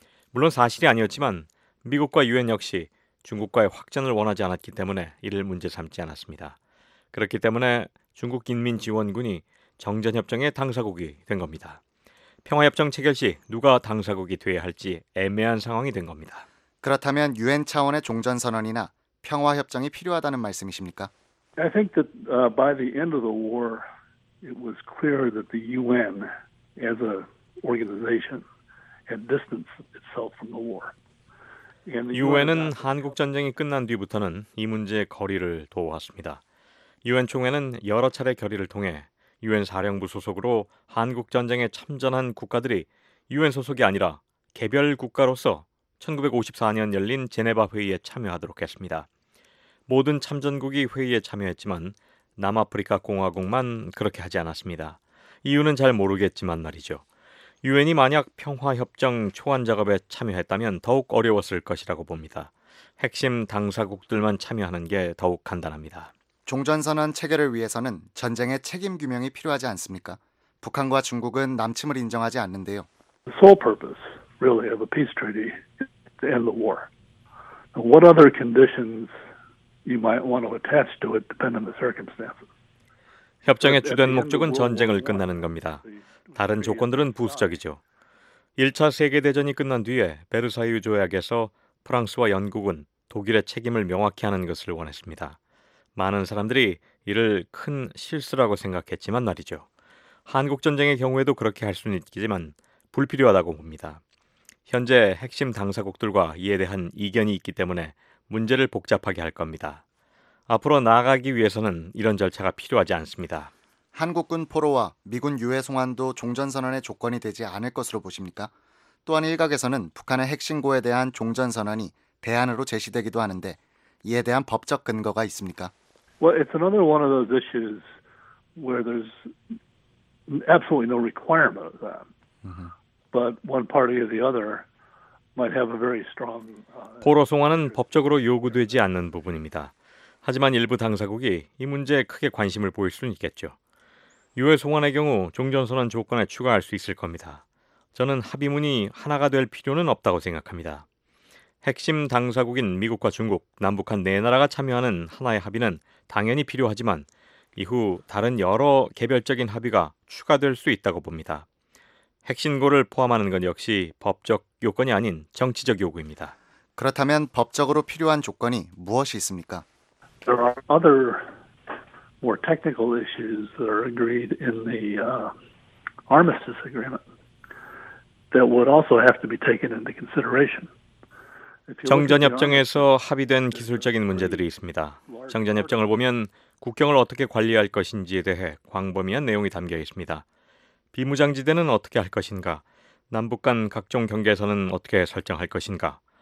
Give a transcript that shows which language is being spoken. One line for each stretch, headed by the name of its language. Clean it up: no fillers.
Korean: 물론 사실이 아니었지만 미국과 유엔 역시 중국과의 확전을 원하지 않았기 때문에 이를 문제 삼지 않았습니다. 그렇기 때문에 중국 인민지원군이 정전협정의 당사국이 된 겁니다. 평화협정 체결 시 누가 당사국이 돼야 할지 애매한 상황이 된 겁니다. 그렇다면 유엔 차원의 종전선언이나 평화협정이 필요하다는 말씀이십니까?
English: I think that by the end of the war, it was clear that the UN as an organization had distanced itself from the war.
Korean: 유엔은 한국 전쟁이 끝난 뒤부터는 이 문제의 거리를 두어왔습니다. 유엔 총회는 여러 차례 결의를 통해 유엔 사령부 소속으로 한국 전쟁에 참전한 국가들이 유엔 소속이 아니라 개별 국가로서 1954년 열린 제네바 회의에 참여하도록 했습니다. 모든 참전국이 회의에 참여했지만 남아프리카 공화국만 그렇게 하지 않았습니다. 이유는 잘 모르겠지만 말이죠. 유엔이 만약 평화협정 초안 작업에 참여했다면 더욱 어려웠을 것이라고 봅니다. 핵심 당사국들만 참여하는 게 더욱 간단합니다. 종전선언 체결을 위해서는 전쟁의 책임 규명이 필요하지 않습니까? 북한과 중국은 남침을 인정하지 않는데요.
English: The sole purpose really of a peace treaty is to end the war. What other conditions you might want to attach to it depend on the circumstances.
Korean: 협정의 주된 목적은 전쟁을 끝나는 겁니다. 다른 조건들은 부수적이죠. 1차 세계대전이 끝난 뒤에 베르사유 조약에서 프랑스와 영국은 독일의 책임을 명확히 하는 것을 원했습니다. 많은 사람들이 이를 큰 실수라고 생각했지만 말이죠. 한국전쟁의 경우에도 그렇게 할 수는 있겠지만 불필요하다고 봅니다. 현재 핵심 당사국들과 이에 대한 이견이 있기 때문에 문제를 복잡하게 할 겁니다. 앞으로 나아가기 위해서는 이런 절차가 필요하지 않습니다. 한국군 포로와 미군 유해 송환도 종전선언의 조건이 되지 않을 것으로 보십니까? 또한 일각에서는 북한의 핵신고에 대한 종전선언이 대안으로 제시되기도 하는데 이에 대한 법적 근거가 있습니까?
English: Well, it's another one of those issues where there's absolutely no requirement of that. But one party or the other might have a very strong...
Korean: 포로 송환은 법적으로 요구되지 않는 부분입니다. 하지만 일부 당사국이 이 문제에 크게 관심을 보일 수는 있겠죠. 유해 송환의 경우 종전선언 조건에 추가할 수 있을 겁니다. 저는 합의문이 하나가 될 필요는 없다고 생각합니다. 핵심 당사국인 미국과 중국, 남북한 네 나라가 참여하는 하나의 합의는 당연히 필요하지만 이후 다른 여러 개별적인 합의가 추가될 수 있다고 봅니다. 핵신고를 포함하는 건 역시 법적 요건이 아닌 정치적 요구입니다. 그렇다면 법적으로 필요한 조건이 무엇이 있습니까?
English: There are other more technical issues that are agreed in the armistice agreement that would also have to be taken into consideration.
Korean: 정전협정에서 합의된 기술적인 문제들이 있습니다. 정전협정을 보면 국경을 어떻게 관리할 것인지에 대해 광범위한 내용이 담겨 있습니다. 비무장지대는 어떻게 할 것인가? 남북 간 각종 경계선은 어떻게 설정할 것인가?